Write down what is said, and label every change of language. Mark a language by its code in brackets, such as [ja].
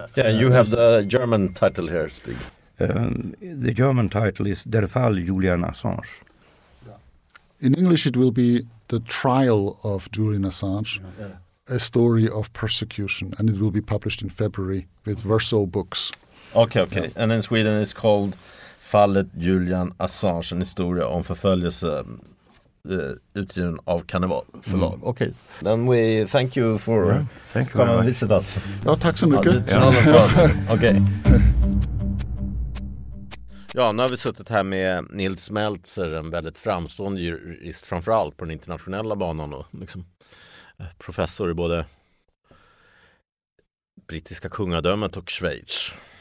[en] You have the German title here, Stig. The German title is Der Fall Julian Assange. In English, it will be The Trial of Julian Assange, a story of persecution, and it will be published in February with Verso Books. Okay. Yeah. And in Sweden, it's called [sv] Fallet Julian Assange, en historia om förföljelse, utgiven av Karneval förlag. [en] Mm. Okay. Then we thank you for coming and visit us. [sv] Ja, tack så mycket. [en] Okay. [sv] Ja, nu har vi suttit här med Nils Meltzer, en väldigt framstående jurist, framförallt på den internationella banan, och liksom professor i både brittiska kungadömet och Schweiz.